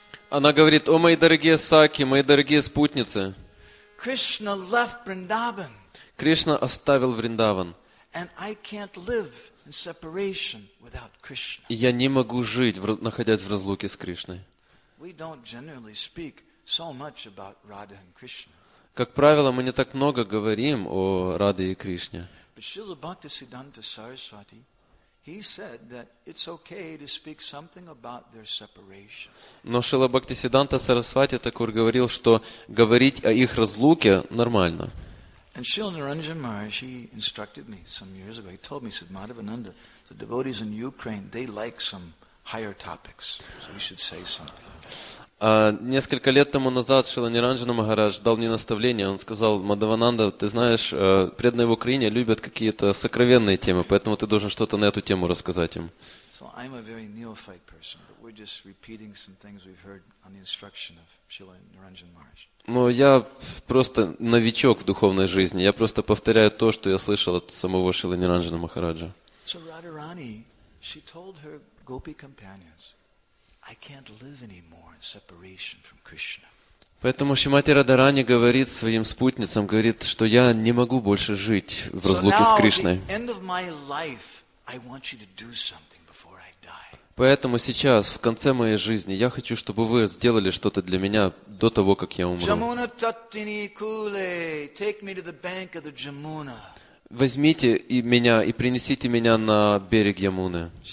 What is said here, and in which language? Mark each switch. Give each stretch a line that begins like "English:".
Russian: Она говорит, о мои дорогие Саки, мои дорогие спутницы.
English: Krishna left Vrindavan.
Russian: Krishna оставил Вриндаван.
English: And I can't live in separation without Krishna.
Russian: Я не могу жить, находясь в разлуке с Кришной.
English: We don't generally speak so much about Radha and Krishna.
Russian: Как правило, мы не так много говорим о Раде и Кришне.
English: But Srila Bhaktisiddhanta Saraswati, he said that it's okay to speak something about their separation.
Russian: Но Шрила Бхактисиддханта Сарасвати Такур говорил, что говорить о их разлуке нормально.
English: And Srila Naranjan Maharaj, he instructed me some years ago. He told me, he said, Madhavananda, the devotees in Ukraine, they like some higher topics, so we should say something.
Russian: Несколько лет тому назад Шрила Ниранджана Махарадж дал мне наставление. Он сказал, Мадхавананда, ты знаешь, преданные в Украине любят какие-то сокровенные темы, поэтому ты должен что-то на эту тему рассказать им.
English: So I'm a very neophyte person, but we're just repeating some things we've heard on the instruction of Srila Niranjan Maharaj.
Russian: Но я просто новичок в духовной жизни. Я просто повторяю то, что я слышал от самого Шрила Ниранджана Махараджа.
English: So Radharani, she told her gopi companions, I can't live anymore in separation from Krishna.
Russian: Поэтому Шримати Радхарани говорит своим спутницам, говорит, что я не могу больше жить в разлуке с Кришной.
English: At the end of my life, I want you to do something before I die.
Russian: Поэтому сейчас, в конце моей жизни, я хочу, чтобы вы сделали что-то для меня до того, как я умру.
Bangla: Jamuna tatini kule,
English: take me to the bank of the Jamuna.
Russian: Возьмите меня и принесите меня на берег Ямуны.